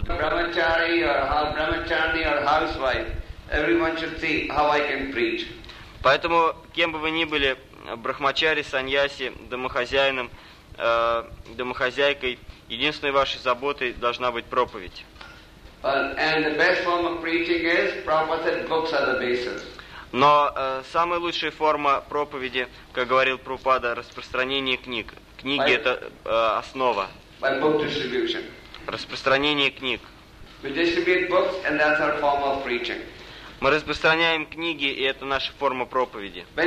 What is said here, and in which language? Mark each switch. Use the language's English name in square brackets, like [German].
[English] Brahmachari or brahmachari or housewife, everyone should see how I can preach. [Russian] Поэтому, кем бы вы ни были, брахмачари, саньяси, домохозяином, домохозяйкой, единственной вашей заботой должна быть проповедь. Но самая лучшая форма проповеди, как говорил Прабхупада, распространение книг. Книги – это основа. [English] By book distribution. [Russian] Распространение книг. [English] We distribute books, and that's our form of preaching. [Russian] Мы распространяем книги, и это наша форма проповеди.